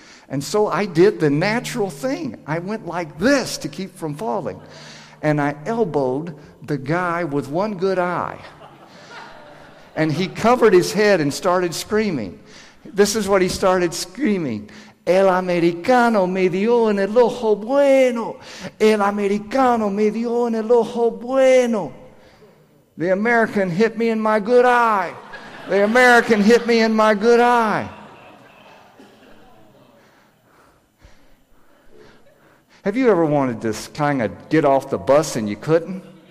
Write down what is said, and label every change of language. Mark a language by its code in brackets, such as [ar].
[en] And so I did the natural thing. I went like this to keep from falling. And I elbowed the guy with one good eye. And he covered his head and started screaming. This is what he started screaming. [es] El americano me dio en el ojo bueno. El americano me dio en el ojo bueno. [en] The American hit me in my good eye. The American hit me in my good eye. Have you ever wanted to kind of get off the bus and you couldn't?